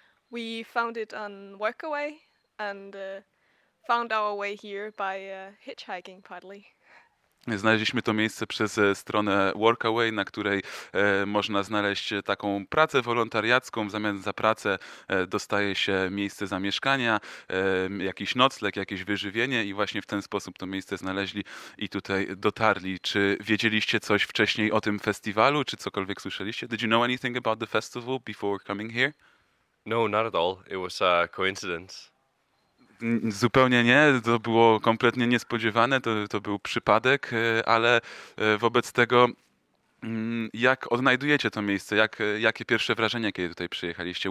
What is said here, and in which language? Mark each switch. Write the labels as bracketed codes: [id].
[en] We found it on Workaway and found our way here by hitchhiking partly. [pl] Znaleźliśmy to miejsce przez stronę Workaway, na której można znaleźć taką pracę wolontariacką. W zamian za pracę dostaje się miejsce zamieszkania, jakiś nocleg, jakieś wyżywienie i właśnie w ten sposób to miejsce znaleźli i tutaj dotarli. Czy wiedzieliście coś wcześniej o tym festiwalu, czy cokolwiek słyszeliście? [en] Did you know anything about the festival before coming here? No, not at all. It was a coincidence. [pl] Zupełnie nie, to było kompletnie niespodziewane, to był przypadek, ale wobec tego, jak odnajdujecie to miejsce, jakie pierwsze wrażenie, kiedy tutaj przyjechaliście?